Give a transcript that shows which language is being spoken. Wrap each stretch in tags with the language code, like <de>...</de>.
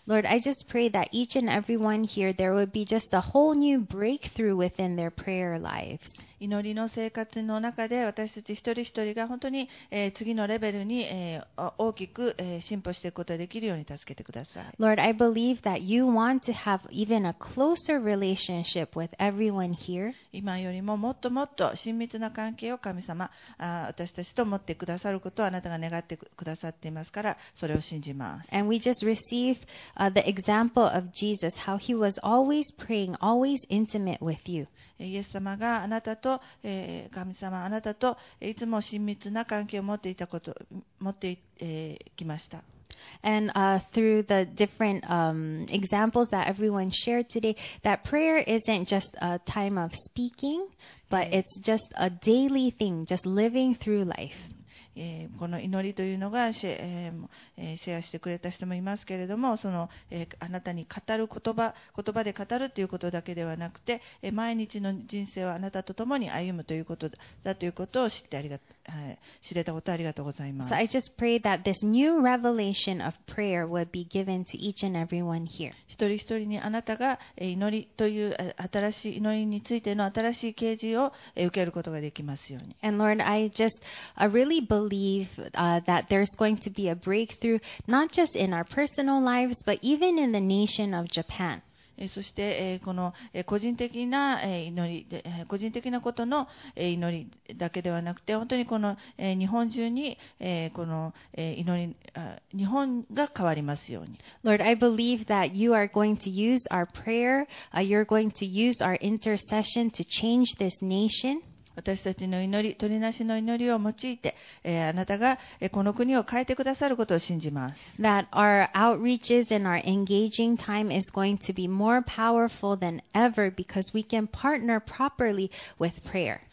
<en>Lord, I just pray that each and everyone here there would be just a whole new breakthrough within their prayer lives.</en> <ja>祈りの生活の中で私たち一人一人が本当に次のレベルに大きく進歩していくことができるように助けてください。</ja> <en>Lord, I believe that you want to have even a closer relationship with everyone here.</en> <ja>今よりももっともっと親密な関係を神様、私たちと持ってくださることをあなたが願ってくださっていますから、それを信じます。</ja> <en>And we just receive the example of Jesus, how he was always praying, always intimate with you.</en> <ja>イエス様があなたと、神様あなたといつも親密な関係を持っていたこと持ってい、きました。</ja> <en>And through the different examples that everyone shared today, that prayer isn't just a time of speaking, but it's just a daily thing, just living through life.</en> <ja>この祈りというのがシェアしてくれた人もいますけれども、そのあなたに語る言葉で語るということだけではなくて、毎日の人生をあなたと共に歩むということだということを知ってありが、知れたことありがとうございます。</ja> <en>So I just pray that this new revelation of prayer would be given to each and everyone here.</en> <ja>一人一人にあなたが祈りという新しい祈りについての新しい啓示を受けることができますように。</ja> <en>And Lord, I just really believe that there's going to be a breakthrough not just in our personal lives but even in the nation of Japan.</en> <ja>そしてこの個人的な祈り、個人的なことの祈りだけではなくて、本当にこの日本中にこの祈り、日本が変わりますように。</ja> <en>Lord, I believe that you are going to use our prayer, you're going to use our intercession to change this nation.</en> <ja>私たちの祈り、取りなしの祈りを用いて、あなたがこの国を変えてくださることを信じます。</ja> <en>That our outreaches and our engaging time is going to be more powerful than ever because we can partner properly with prayer.</en>